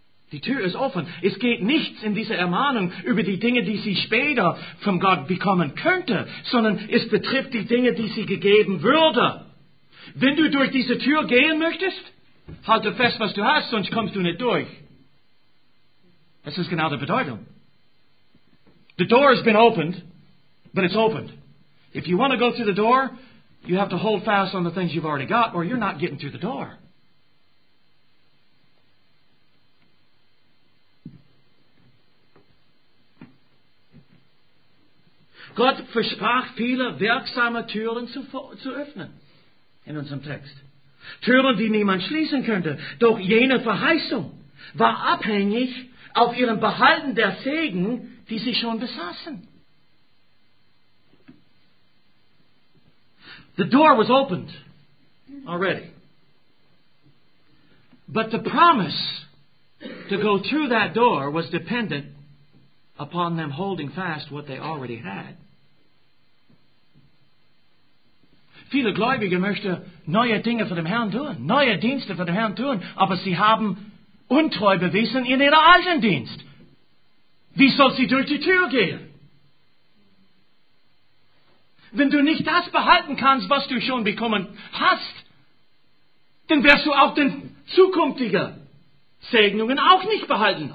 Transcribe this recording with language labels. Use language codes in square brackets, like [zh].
[de] Die Tür ist offen. Es geht nichts in dieser Ermahnung über die Dinge, die sie später von Gott bekommen könnte, sondern es betrifft die Dinge, die sie gegeben würde. Wenn du durch diese Tür gehen möchtest, halte fest, was du hast, sonst kommst du nicht durch. Das ist genau die Bedeutung. [en] The door has been opened, but it's opened. If you want to go through the door, you have to hold fast on the things you've already got, or you're not getting through the door. [de] Gott versprach viele wirksame Türen zu öffnen. In unserem Text. Türen, die niemand schließen könnte. Doch jene Verheißung war abhängig auf ihrem Behalten der Segen, die sie schon besaßen. [en] The door was opened already. But the promise to go through that door was dependent upon them holding fast what they already had. [de] Viele Gläubige möchten neue Dinge für den Herrn tun, neue Dienste für den Herrn tun, aber sie haben untreu bewiesen in ihrem alten Dienst. Wie soll sie durch die Tür gehen? Wenn du nicht das behalten kannst, was du schon bekommen hast, dann wirst du auch den zukünftigen Segnungen auch nicht behalten.